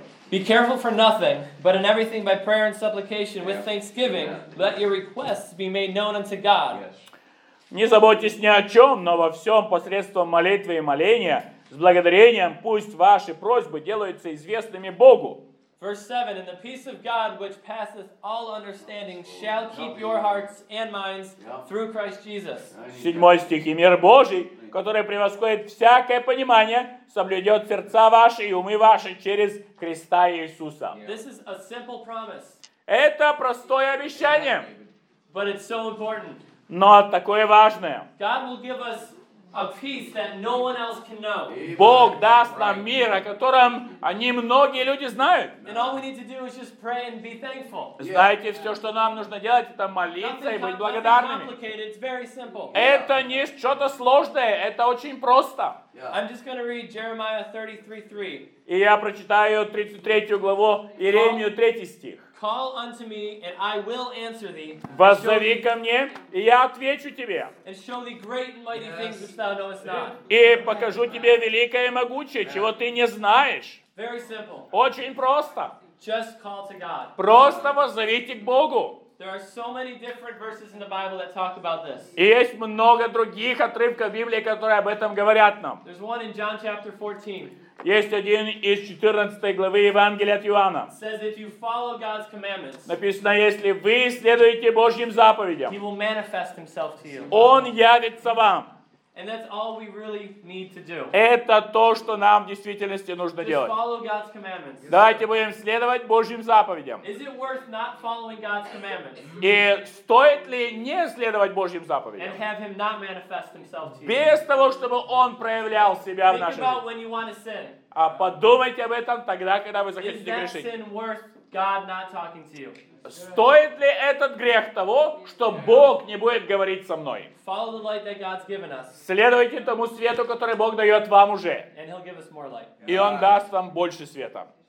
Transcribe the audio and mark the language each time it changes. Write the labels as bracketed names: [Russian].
[English] Be careful for nothing, but in everything by prayer and supplication with thanksgiving, let your requests be made known unto God. [Russian] Не заботьтесь ни о чем, но во всем посредством молитвы и моления, с благодарением пусть ваши просьбы делаются известными Богу. [English] Verse 7, and the peace of God which passeth all understanding shall keep your hearts and minds through Christ Jesus. [Russian] 7 стих, и мир Божий, который превосходит всякое понимание, соблюдет сердца ваши и умы ваши через Христа Иисуса. [English] This is a simple promise. [Russian] Это простое обещание. [English] But it's so important. [Russian] Но такое важное. [English] God will give us a peace that no one else can know. [Russian] Бог даст нам мир, о котором они многие люди знают. [English] And all we need to do is just pray and be thankful. [Russian] Знаете, все, что нам нужно делать, это молиться и быть благодарными. [English] It's very simple. [Russian] Это не что-то сложное, это очень просто. [English] I'm just going to read Jeremiah 33:3. [Russian] И я прочитаю 33 главу Иеремию 3 стих. [English] Call unto me, and I will answer thee. [Russian] Воззови ко мне, и я отвечу тебе. [English] And show thee great and mighty things which thou knowest not. [Russian] И покажу тебе великое и могучее, чего ты не знаешь. [English] Very simple. [Russian] Очень просто. [English] Just call to God. [Russian] Просто воззовите к Богу. [English] There are so many different verses in the Bible that talk about this. [Russian] И есть много других отрывков в Библии, которые об этом говорят нам. [English] There's one in John chapter 14. [Russian] Есть один из 14 главы Евангелия от Иоанна. [English] Says if you follow God's commandments. [Russian] Написано, если вы следуете Божьим заповедям. [English] He will manifest himself to you. [Russian] Он явится вам. [English] And that's all we really need to do. [Russian] Это то, что нам в действительности нужно [English] just [Russian] делать. [English] Follow God's commandments. [Russian] Давайте будем следовать Божьим заповедям. [English] Is it worth not following God's commandments? [Russian] И стоит ли не следовать Божьим заповедям? [English] And have him not manifest himself to you. [Russian] Без того, чтобы он проявлял себя [English] think [Russian] в нашей [English] about [Russian] жизни. [English] When you want to sin. [Russian] А подумайте об этом тогда, когда вы захотите [English] is [Russian] грешить. [English] Is that sin worth God not talking to you? [Russian] Стоит ли этот грех того, что Бог не будет говорить со мной? [English] Follow the light that God's given us. [Russian] Следуйте тому свету, который Бог дает вам уже. [English] And he'll give us more light. [Russian] И Он даст вам больше света.